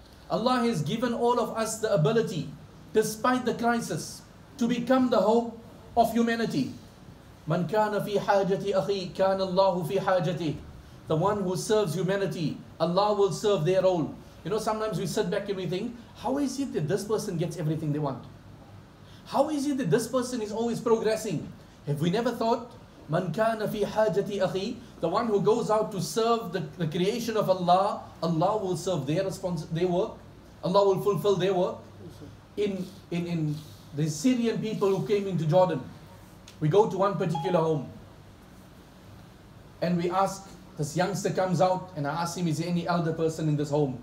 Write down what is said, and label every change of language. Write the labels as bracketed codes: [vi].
[en] Allah has given all of us the ability, despite the crisis, to become the hope of humanity. [ar] مَنْ كَانَ فِي حَاجَةِ أَخِي كَانَ اللَّهُ فِي حَاجَةِ. [en] The one who serves humanity, Allah will serve their own. You know, sometimes we sit back and we think, how is it that this person gets everything they want? How is it that this person is always progressing? Have we never thought, [ar] مَنْ كَانَ فِي حَاجَةِ أَخِي. [en] The one who goes out to serve the creation of Allah, Allah will serve their their work. Allah will fulfill their work. In the Syrian people who came into Jordan, we go to one particular home and we ask, this youngster comes out and I ask him, is there any elder person in this home?